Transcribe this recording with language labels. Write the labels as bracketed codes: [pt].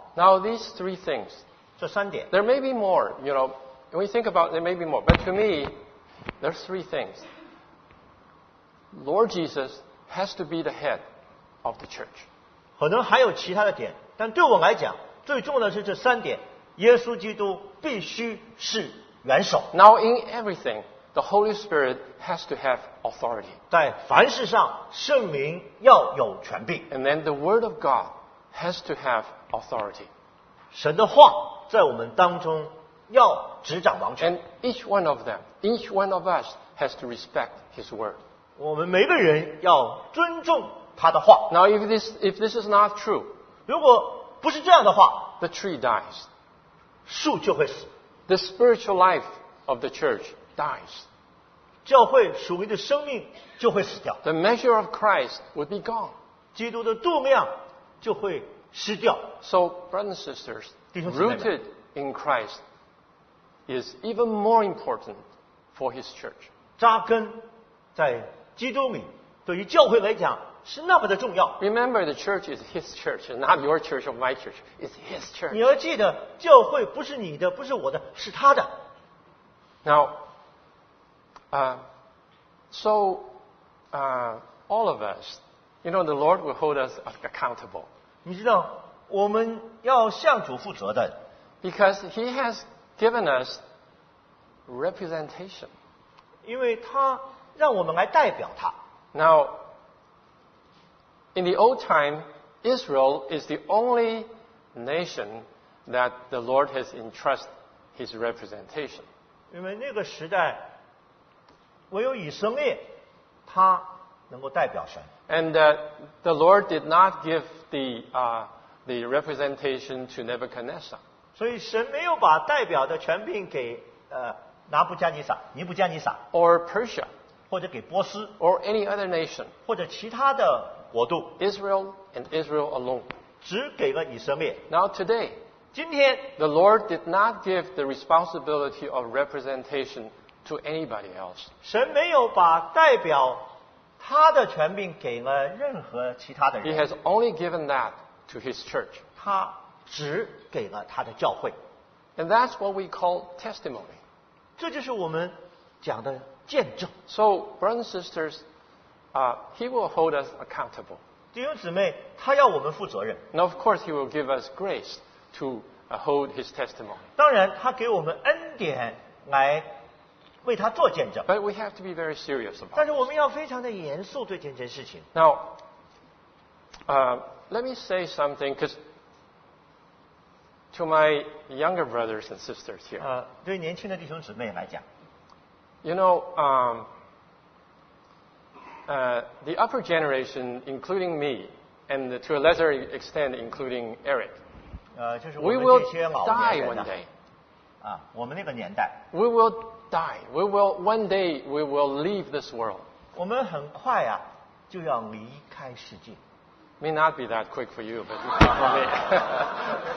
[en] Now these three things. [zh] 这三点。 [en] There may be more, you know, when we think about there may be more, but to me, there's three things. Lord Jesus has to be the head of the church. [zh] 可能还有其他的点，但对我来讲，最重要的是这三点。耶稣基督必须是元首。 [en] Now in everything, the Holy Spirit has to have authority. [zh] 在凡事上，圣灵要有权柄。 [en] And then the Word of God has to have authority. [zh] 神的话在我们当中要执掌王权。 [en] And each one of them, each one of us has to respect His Word. [zh] 我们每个人要尊重他的话。 [en] Now if this is not true, [zh] 如果不是这样的话， [en] the tree dies. [zh] 树就会死。 [en] The spiritual life of the church dies. [zh] 教会属灵的生命就会死掉。 [en] The measure of Christ would be gone. [zh] 基督的度量就会失掉。 [en] So, brothers and sisters, rooted in Christ is even more important for His church. [zh] 扎根在基督里，对于教会来讲是那么的重要。 [en] Remember, the church is His church, not your church or my church. It's His church. [zh] 你要记得，教会不是你的，不是我的，是他的。 [en] Now, all of us, you know, the Lord will hold us accountable. [zh] 你知道，我们要向主负责的。 [en] Because He has given us representation. [zh] 因为他让我们来代表他。 [en] Now, in the old time, Israel is the only nation that the Lord has entrusted His representation. [zh] 因为那个时代，唯有以色列，他能够代表神。 [en] And the Lord did not give the representation to Nebuchadnezzar. [zh] 所以神没有把代表的权柄给拿布加尼撒、尼布加尼撒 [en] ，or Persia， [zh] 或者给波斯 [en] ，or any other nation， [zh] 或者其他的国度。 [en] Israel and Israel alone， [zh] 只给了以色列。 [en] Now today， [zh] 今天 [en] ，the Lord did not give the responsibility of representation to anybody else。 [zh] 神没有把代表他的权柄给了任何其他的人。 [en] He has only given that to His church。 [zh] 他只给了他的教会。 [en] And that's what we call testimony。 [zh] 这就是我们讲的见证。 [en] So brothers and sisters。 He will hold us accountable. [zh] 弟兄姊妹，他要我们负责任。 [en] Now, of course, He will give us grace to hold His testimony. [zh] 当然，他给我们恩典来为他做见证。 [en] But we have to be very serious about. [zh] 但是我们要非常的严肃对这件事情。 [en] Now, let me say something, because to my younger brothers and sisters here. [zh] 对年轻的弟兄姊妹来讲 [en] ，You know, the upper generation, including me, and to a lesser extent, including Eric, [zh] 就是 [en] we will die one day. [zh] 我们那个年代。 [en] We will die. We will, one day, we will leave this world. [zh] 我们很快啊，就要离开世界。 [en] May not be that quick for you, but it's not for me.